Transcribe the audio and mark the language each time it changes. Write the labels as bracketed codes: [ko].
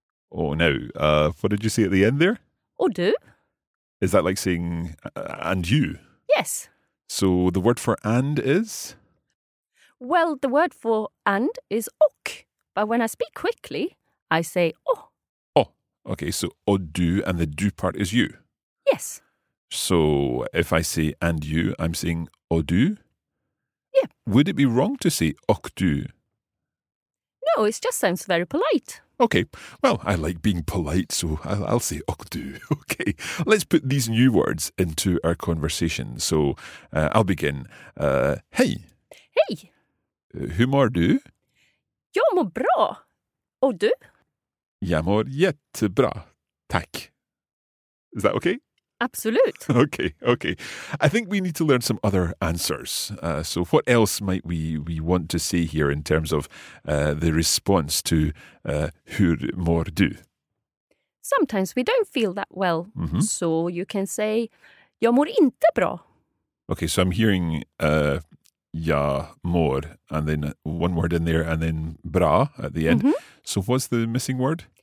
[en] Oh, now, what did you say at the end there? [sv] Och du? [en] Is that like saying, and you? Yes. So the word for and is? Well, the word for and is och. But when I speak quickly, I say oh. Oh, okay, so [sv] och du, [en] and the du part is you. Yes. So if I say and you, I'm saying [sv] och du? [en] Yeah. Would it be wrong to say [sv] och du? [en] No, it just sounds very polite. Okay, well, I like being polite, so I'll say [sv] och du. [en] Okay, let's put these new words into our conversation. So I'll begin. Hey. Hey. [sv] Hur mår du? Jag mår bra. Och du? Jag mår jättebra. Tack. [en] Is that okay? [sv] Absolut. [en] Okay, okay. I think we need to learn some other answers. So what else might we want to say here in terms of the response to [sv] hur mår du? [en] Sometimes we don't feel that well. Mm-hmm. So you can say, [sv] jag mår inte bra. [en] Okay, so I'm hearing... ja, mår, and then one word in there, and then bra at the end. Mm-hmm. So what's the missing word?